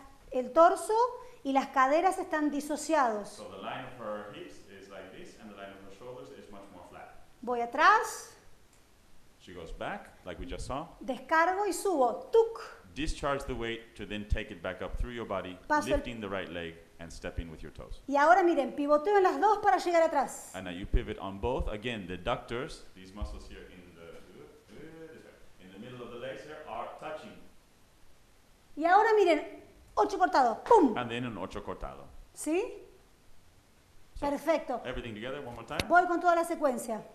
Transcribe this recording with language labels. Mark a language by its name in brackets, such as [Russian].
[Spanish] El torso y las caderas están disociados. [English] So the line of her hips is like this, and the line of her shoulders is much more flat. [Spanish] Voy atrás. [English] She goes back, like we just saw. [Spanish] Descargo y subo. Tuk. [English] discharge the weight to then take it back up through your body, [Spanish] paso [English] lifting the right leg and stepping with your toes. [Spanish] Y ahora miren, pivoteo en las dos para llegar atrás. [English] And now you pivot on both. Again, the adductors, these muscles here in the middle of the legs here are touching. [Spanish] Y ahora miren, ocho cortado, pum. [English] And then an ocho cortado. [Spanish] ¿Sí? [English] So [Spanish] perfecto. [English] Everything together, one more time. [Spanish] Voy con toda la secuencia.